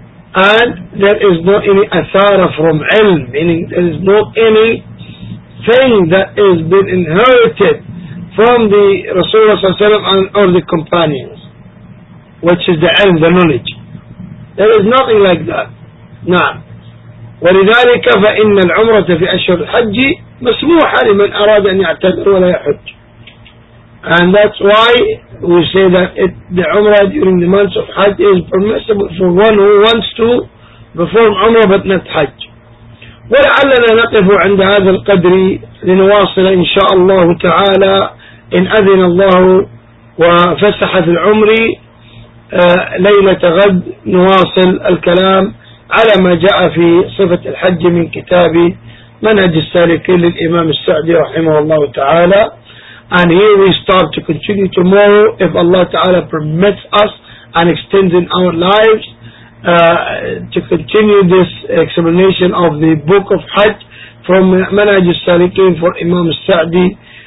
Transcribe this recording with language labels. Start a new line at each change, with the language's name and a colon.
English: And there is not any athara from ilm, meaning there is not any thing that has been inherited from the Rasulullah or the companions, which is the ilm, the knowledge. There is nothing like that.
Arabic: نعم. ولذلك فإن العمرة في أشهر الحج مسموحة لمن أراد أن يعتمر ولا يحج.
English: And that's why we say that the Umrah during the months of Hajj is permissible for one who wants to perform Umrah but not Hajj.
Arabic: ولعلنا نقف عند هذا القدر لنواصل إن شاء الله تعالى إن أذن الله وفسح في العمر ليلة غد، نواصل الكلام على ما جاء في صفة الحج من كتاب منهج السالكين للإمام السعدي رحمه الله تعالى.
English: And here we start to continue tomorrow if Allah Ta'ala permits us and extends in our lives to continue this examination of the book of Hajj from Manhaj al-Salikin for Imam al-Sa'di.